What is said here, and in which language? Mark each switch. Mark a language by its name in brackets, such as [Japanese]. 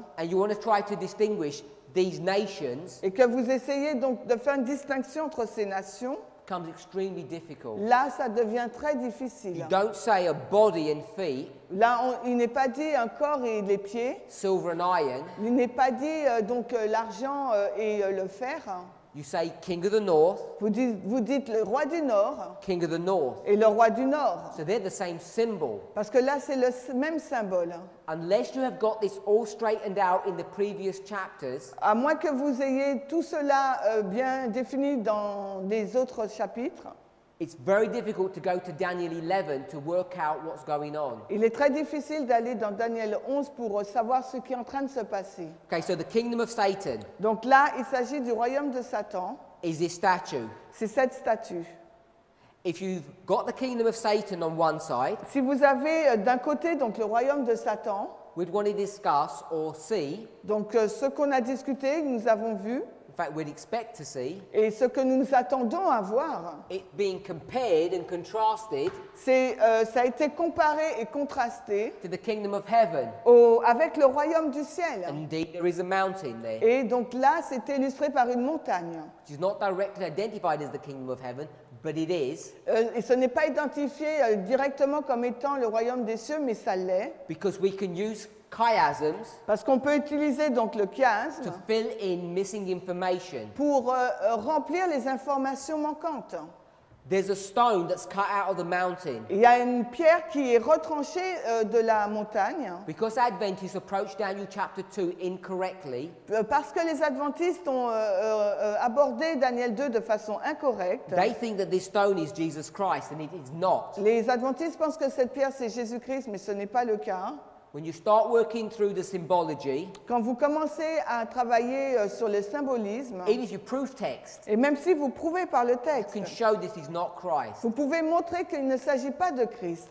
[English] And you want to try to distinguish these nations. [French] Et que vous essayez donc de faire une distinction entre ces nations. [English] Becomes extremely difficult. [French] Là, ça devient très difficile. [English] You don't say a body and feet. [French] Là, il n'est pas dit un corps et les pieds. [English] Silver and iron. [French] Il n'est pas dit donc l'argent et le fer. [English] You say king of the north. [French] Vous dites le roi du nord. [English] King of the north. [French] Et le roi du nord. [English] So they're the same symbol. [French] Parce que là, c'est le même symbole. [English] Unless you have got this all straightened out in the previous chapters. [French] À moins que vous ayez tout cela bien défini dans les autres chapitres. [English] It's very difficult to go to Daniel 11 to work out what's going on. [French] Il est très difficile d'aller dans Daniel 11 pour savoir ce qui est en train de se passer. [English] Okay, so the kingdom of Satan. [French] Donc là, il s'agit du royaume de Satan. [English] Is this statue? [French] C'est cette statue. [English] If you've got the kingdom of Satan on one side. [French] Si vous avez d'un côté donc le royaume de Satan. [English] we'd want to discuss or see. [French] Donc ce qu'on a discuté, nous avons vu. [English] In fact, we'd expect to see. [French] Et ce que nous nous attendons à voir. [English] It being compared and contrasted. [French] C'est ça a été comparé et contrasté. [English] To the kingdom of heaven. [French] Avec le royaume du ciel. [English] And indeed, there is a mountain there. [French] Et donc là, c'est illustré par une montagne. [English] It's not directly identified as the kingdom of heaven. But it is. [French] Et ce n'est pas identifié directement comme étant le royaume des cieux, mais ça l'est. [English] Because we can use chiasms. [French] Parce qu'on peut utiliser donc le chiasme. [English] To fill in missing information. [French] Pour remplir les informations manquantes. [English] There's a stone that's cut out of the mountain. [French] Il y a une pierre qui est retranchée de la montagne. [English] Because Adventists approach Daniel chapter 2 incorrectly. [French] Parce que les Adventistes ont abordé Daniel 2 de façon incorrecte. [English] They think that this stone is Jesus Christ, and it is not. [French] Les Adventistes pensent que cette pierre c'est Jésus-Christ, mais ce n'est pas le cas. [English] When you start working through the symbology, [French] quand vous commencez à travailler sur le symbolisme, [English] even if you prove text, [French] et même si vous prouvez par le texte, [English] you can show this is not Christ. [French] Vous pouvez montrer qu'il ne s'agit pas de Christ.